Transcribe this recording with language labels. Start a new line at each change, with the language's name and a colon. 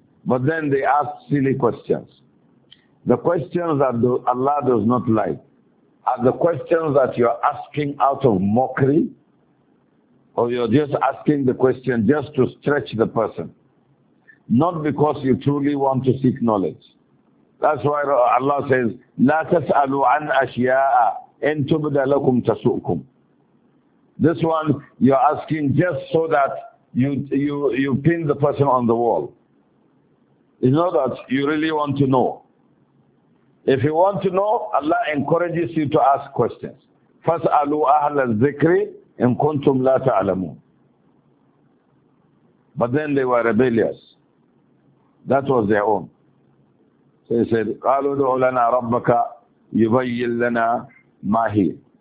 English: But then they asked silly questions. The questions that Allah does not like are the questions that you are asking out of mockery, or you're just asking the question just to stretch the person, not because you truly want to seek knowledge. That's why Allah says,
Arabic: لَا تَسْأَلُوا عَنْ أَشْيَاءَ إِن تُبْدَ لَكُمْ تَسُؤْكُمْ.
English: This one, you're asking just so that you pin the person on the wall. You know that you really want to know. If you want to know, Allah encourages you to ask questions.
Arabic: فَاسْأَلُوا أَهْلَ الذِّكْرِ إِن كُنْتُمْ لَا تَعْلَمُونَ.
English: But then they were rebellious. That was their own. He said,
Arabic: قَالُوا دُعُ لَنَا رَبَّكَ يُبَيِّن لَنَا مَا هِيَ.